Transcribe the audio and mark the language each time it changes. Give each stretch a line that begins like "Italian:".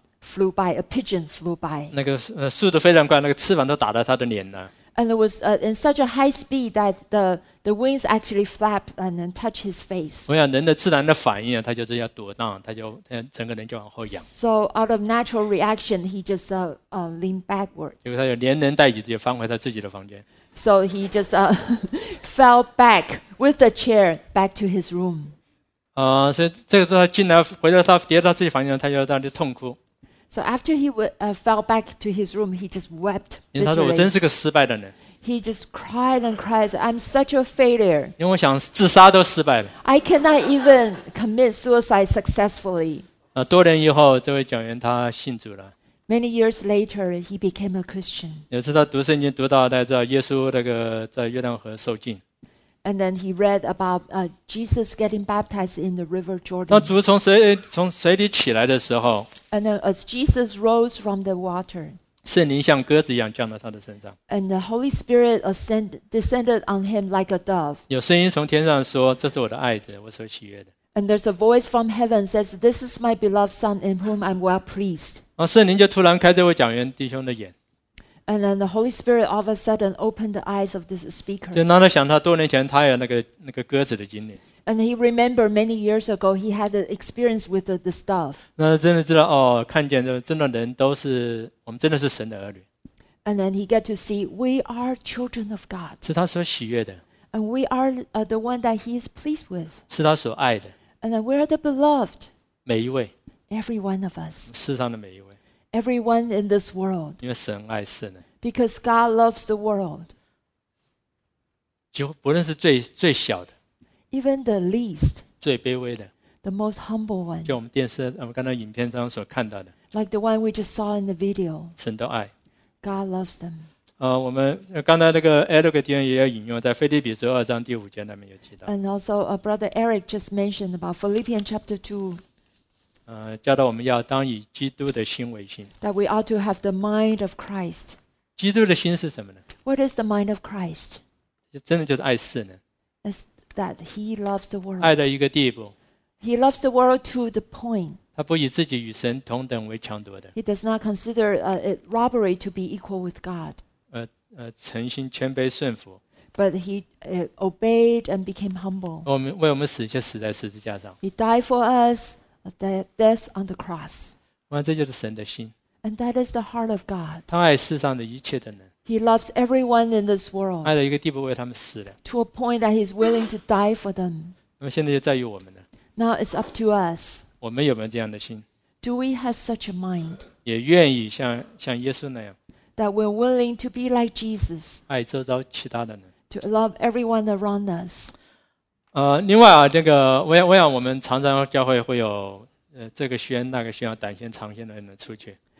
English: Flew by a pigeon flew by.
Chinese: 那个速度非常快，那个翅膀都打到他的脸了。
English: And it was in such a high speed that the wings actually flapped and then touched his face.
Chinese: 我想人的自然的反应啊，他就是要躲让，他整个人就往后仰。
English: So out of natural reaction, he just leaned backwards.
Chinese: 因为他就连人带椅子翻回他自己的房间。
English: So he just fell back with the chair back to his room.
Chinese: 所以这个时候他进来回到他跌到自己房间，他就在那里痛哭。
English: So after he fell back to his room, he just wept.
Chinese: 因为他说我真是个失败的人。
English: He just cried and cried. I'm such a failure.
Chinese: 因为我想自杀都失败了。
English: I cannot even commit suicide successfully.
Chinese: 多年以后，这位讲员他信主了。
English: Many years later, he became a Christian.
Chinese: 有次他读圣经读到，大家知道耶稣那个在约旦河受浸。
English: And then he read about Jesus getting baptized in the River Jordan.
Chinese: 那主从水里起来的时候。
English: And then as Jesus rose from the water,
Chinese: 圣灵像鸽子一样降到他的身上。
English: And the Holy Spirit descended on him like a dove.
Chinese: 有声音从天上说，这是我的爱子，我所喜悦的。
English: And there's a voice from heaven says, this is my beloved son in whom I'm well pleased.
Chinese: 圣灵就突然开这位讲员弟兄的眼。
English: And then the Holy Spirit all of a sudden opened the eyes of this speaker.
Chinese: 就让他想他多年前他有那个鸽子的经历。
English: And he remembered many years ago he had an experience with the stuff.
Chinese: 那真的知道哦，看见的真的人都是我们真的是神的儿女。
English: And then he got to see we are children of God.
Chinese: 是他所喜悦的。
English: And we are the one that he is pleased with.
Chinese: 是他所爱的。
English: And we are the beloved.
Chinese: 每一位。
English: Every one of us.
Chinese: 世上的每一位。
English: Everyone in this world.
Chinese: 因为神爱世人。
English: Because God loves the world.
Chinese: 就不论是最小的。
English: Even the least,
Chinese: 最卑微的
English: the most humble one,
Chinese: 就我们电视，我们刚才影片上所看到的
English: like the one we just saw in the video,
Chinese: 神都爱
English: God loves them.
Chinese: 我们刚才那个 Eric 弟兄也有引用，在腓立比书二章第五节那边有提到
English: and also brother Eric just mentioned about Philippians chapter 2.
Chinese: 教导我们要当以基督的心为心
English: that we ought to have the mind of Christ.
Chinese: 基督的心是什么呢
English: What is the mind of Christ?
Chinese: 真的就是爱世人。
English: Is that he loves the world?
Chinese: 爱到一个地步。
English: He loves the world to the point.
Chinese: 他不以自己与神同等为强夺的。
English: He does not consider it robbery to be equal with God.
Chinese: 诚心谦卑顺服。
English: But he obeyed and became humble.
Chinese: 为我们死就死在十字架上。
English: He died for us, death on the cross.
Chinese: 这就是神的心。
English: And that is the heart of God.
Chinese: 他爱世上的一切的人。
English: He loves everyone in this world.
Chinese: 爱到一个地步为他们死了。
English: To a point that he's willing to die for them.
Chinese: 那么现在就在于我们了。
English: Now it's up to us.
Chinese: 我们有没有这样的心？
English: Do we have such a mind?
Chinese: 也愿意像耶稣那样。
English: That we're willing to be like Jesus.
Chinese: 爱周遭其他的人。
English: To love everyone around us.
Chinese: 另外啊，这个我想我们常常教会会有这个宣那个宣，胆先长先的人出去。